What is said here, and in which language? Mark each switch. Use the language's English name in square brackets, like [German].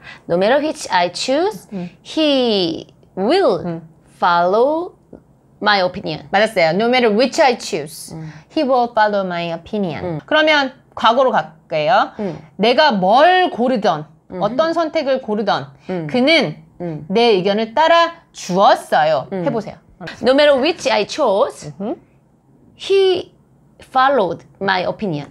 [English] No matter which I choose, he will follow my opinion. [Korean] 맞았어요. [English] No matter which I choose, he will follow my opinion. [Korean] 그러면 과거로 갈게요. 내가 뭘 고르던 어떤 선택을 고르던 그는 내 의견을 따라 주었어요. 해보세요. [English] No matter which I chose, he followed my opinion.